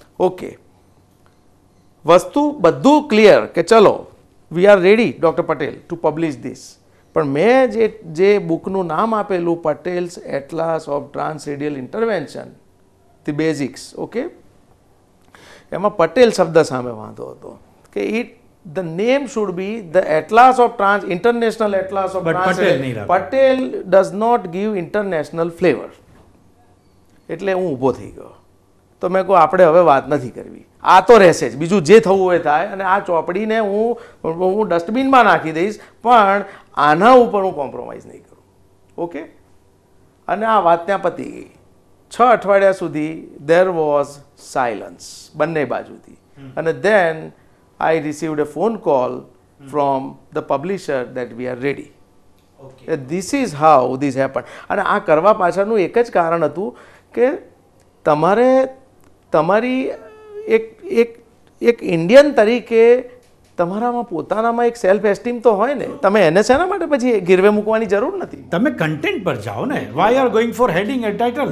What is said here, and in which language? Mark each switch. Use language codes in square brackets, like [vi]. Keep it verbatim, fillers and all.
[gu] Okay, વસ્તુ બધું clear કે ચલો [en] we are ready doctor Patel to publish this, [gu] પણ મેં જે જે બુકનું નામ આપેલું Patels atlas of ટ્રાન્સરેડિયલ intervention the basics, okay, એમાં પટેલ શબ્દ સામે વાંધો હતો કે [en] it the name should be the atlas of [gu] trans international atlas of [en] But trans [gu] Patel નહીં રાખો. [en] Patel does not give international flavor. [gu] એટલે હું ઊભો થઈ ગયો, તો મેં કહું આપણે હવે વાત નથી કરવી, આ તો રહેશે જ, બીજું જે થવું એ થાય, અને આ ચોપડીને હું હું ડસ્ટબિનમાં નાખી દઈશ, પણ આના ઉપર હું કોમ્પ્રોમાઇઝ નહીં કરું. ઓકે, અને આ વાત ત્યાં પતી ગઈ. છ અઠવાડિયા સુધી [en] there was silence [gu] બંને બાજુથી, અને [en] Then I received a phone call from the publisher that we are ready. Okay. Uh, This is how this happened. [gu] અને આ કરવા પાછળનું એક જ કારણ હતું કે તમારે તમારી એક એક એક ઇન્ડિયન તરીકે તમારામાં પોતાનામાં એક સેલ્ફ એસ્ટીમ તો હોય ને, તમે એને શેના માટે પછી ગીરવે મૂકવાની જરૂર નથી. તમે કન્ટેન્ટ પર જાઓ ને, [en] Why are going for heading and title.